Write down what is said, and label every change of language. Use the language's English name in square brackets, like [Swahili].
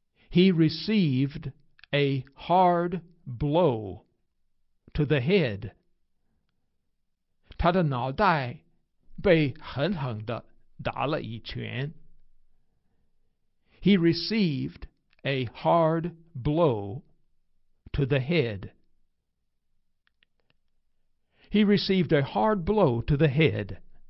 [English] He received a hard blow to the head. [Chinese] 他的脑袋被狠狠地打了一拳。 [English] He received a hard blow to the head. He received a hard blow to the head.